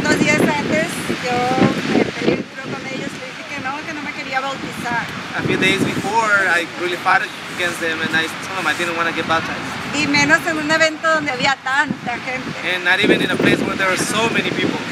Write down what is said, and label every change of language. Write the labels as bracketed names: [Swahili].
[Spanish] Unos días antes, yo me peleé con ellos. Le dije que no me quería bautizar. [English] A few days before, I really fought against them, and I told them I didn't want to get baptized. [Spanish] Y menos en un evento donde había tanta gente. [English] And not even in a place where there were so many people.